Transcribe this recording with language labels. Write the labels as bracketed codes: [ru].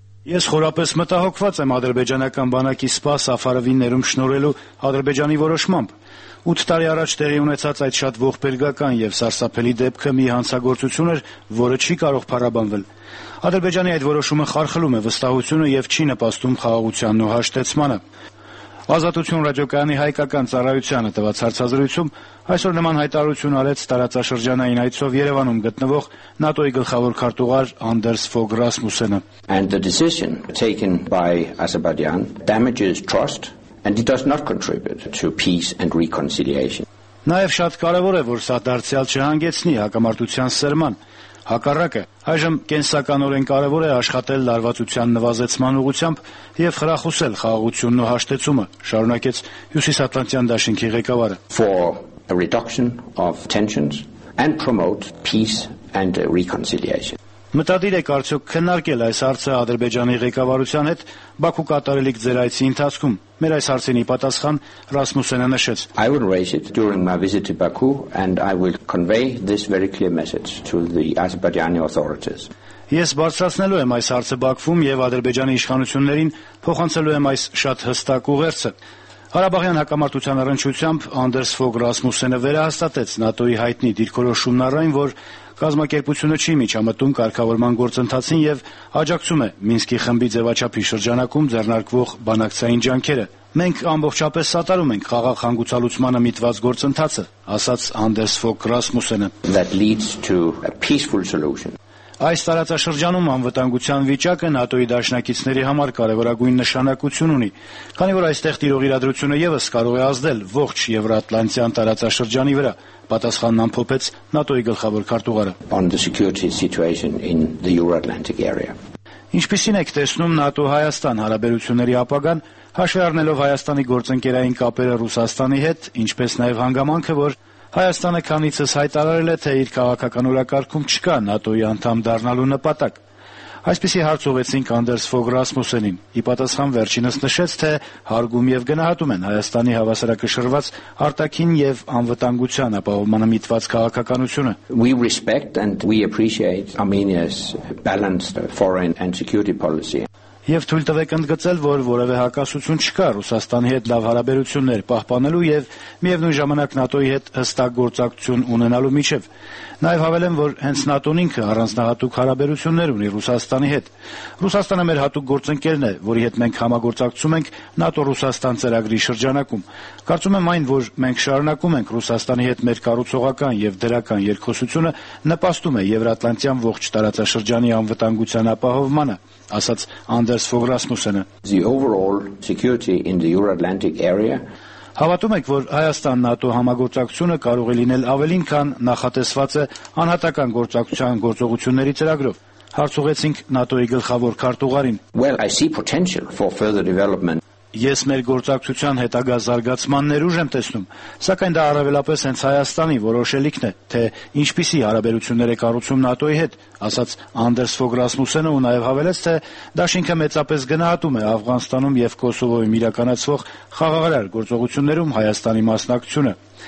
[hy] Ես խորապես մտահոգված եմ ադրբեջանական բանակի սպա Սաֆարովին ներում շնորհելու ադրբեջանի որոշմամբ։ 8 տարի առաջ տեղի ունեցած այդ շատ ողբերգական և սարսափելի դեպքը մի հանցագործություն էր, որը չի կարող փառաբանվել։ Ադրբեջանի այդ որոշումը խարխլում է վստահությունը և չի նպաստում խաղաղության ու հաշտեցմանը։ Ազատություն ռադիոկայանի հայկական ծառայությանը տված հարցազրույցում այսօր նման հայտարարություն արեց տարածաշրջանային այցով Երևանում գտնվող ՆԱՏՕ-ի գլխավոր քարտուղար Անդերս ֆոգ Ռասմուսենը. [en] And the decision taken by Azerbaijan damages trust and it does not contribute to peace and reconciliation. [hy] Նաև շատ կարևոր է, որ սա դարձյալ չհանգեցնի հակամարտության սերման հակառակը։ Այժմ կենսականորեն կարևոր է աշխատել լարվածության նվազեցման ուղղությամբ եւ խրախուսել խաղաղությունն ու հաշտեցումը, շարունակեց Հյուսիսատլանտյան Դաշինքի ղեկավարը. [en] For a reduction of tensions and promote peace and reconciliation. [hy] Մտադիր եք արդյոք քննարկել այս հարցը Ադրբեջանի ղեկավարության հետ Բաքու կատարելիք ձերայցի ընթացքում։ Մեր այս հարցինի պատասխան Ռասմուսենը նշեց. [en] I will raise it during my visit to Baku and I will convey this very clear message to the Azerbaijani authorities. [hy] Ես բարձրացնելու եմ այս հարցը Բաքվում եւ Ադրբեջանի իշխանություններին փոխանցելու եմ այս շատ հստակ ուղերձը։ Ղարաբաղյան հակամարտության առնչությամբ Անդերս ֆոգ Ռասմուսենը վերահաստատեց ՆԱՏՕ-ի հայտնի դիրքորոշումն առայն, որ կազմակերպությունը չի միջամտում կարգավորման գործընթացին եւ աջակցում է Մինսկի խմբի ձեվաչափի շրջանակում ձեռնարկվող բանակցային ջանքերը։ Մենք ամբողջապես սատարում ենք խաղաղ հանգուցալուծմանը միտված գործընթացը, ասաց Անդերս ֆոգ Ռասմուսենը. [en] That leads to a peaceful solution. [hy] Այս տարածաշրջանում անվտանգության վիճակը ՆԱՏՕ-ի դաշնակիցների համար կարևորագույն նշանակություն ունի, քանի որ այստեղ տիրող իրադրությունը ևս կարող է ազդել ողջ Եվրատլանտյան տարածաշրջանի վրա, պատասխանն ամփոփեց ՆԱՏՕ-ի գլխավոր քարտուղարը. [en] On the security situation in the Euro-Atlantic area. [hy] Ինչպեսին եք տեսնում ՆԱՏՕ-Հայաստան հարաբերությունների ապագան, հաշվի առնելով Հայաստանի գործընկերային կապերը Ռուսաստանի հետ, ինչպես նաև հանգամանքը, որ Հայաստանը քանիցս հայտարարել է, թե իր քաղաքական օրակարգում չկա ՆԱՏՕ-ի անդամ դառնալու նպատակ։ Այսպիսի հարց ուղեցին Անդերս ֆոգ Ռասմուսենին։ Ի պատասխան վերջինս նշեց, թե հարգում եւ գնահատում են Հայաստանի հավասարակշռված արտաքին եւ անվտանգության ապահովմանը միտված քաղաքականությունը։ [en] We respect and we appreciate Armenia's balanced foreign and security policy. [hy] Եվ թույլ տվեք ընդգծել, որ որևէ հակասություն չկա Ռուսաստանի հետ լավ հարաբերություններ պահպանելու եւ միևնույն ժամանակ ՆԱՏՕ-ի հետ հստակ գործակցություն ունենալու միջև։ Նաեւ հավելեմ, որ հենց ՆԱՏՕ-ն ինքը առանձնահատուկ հարաբերություններ ունի Ռուսաստանի հետ։ Ռուսաստանը մեր հատուկ գործընկերն է, որի հետ մենք համագործակցում ենք ՆԱՏՕ-Ռուսաստան ծրագրի շրջանակում։ Կարծում եմ այն, որ մենք շարունակում ենք Ռուսաստանի հետ մեր կառուցողական եւ դրական երկխոսությունը նպաստում է Եվրատլանտյան ողջ տարածաշրջանի անվտանգության ապահովմանը, ասաց Անդերս ֆոգ Ռասմուսենը. The overall security in the Euro-Atlantic area. Հավատում եք, որ Հայաստան-ՆԱՏՕ համագործակցությունը կարող է լինել ավելին, քան նախատեսվածը անհատական գործակցության գործողությունների ծրագրով, հարցուղեցինք ՆԱՏՕ-ի գլխավոր քարտուղարին. [en] Well, I see potential for further development. [hy] Ես մեր գործակցության հետագա զարգացման ներուժ եմ տեսնում, սակայն դա առավելապես հենց Հայաստանի որոշելիքն է, թե ինչպիսի հարաբերություններ է կառուցում ՆԱՏՕ-ի հետ, ասաց Անդերս ֆոգ Ռասմուսենը ու նաև հավելեց, թե Դաշինքը մեծապես գնահատում է Աֆղանստանում եւ Կոսովոյում իրականացվող խաղաղարար գործողություններում Հայաստանի մասնակցությունը։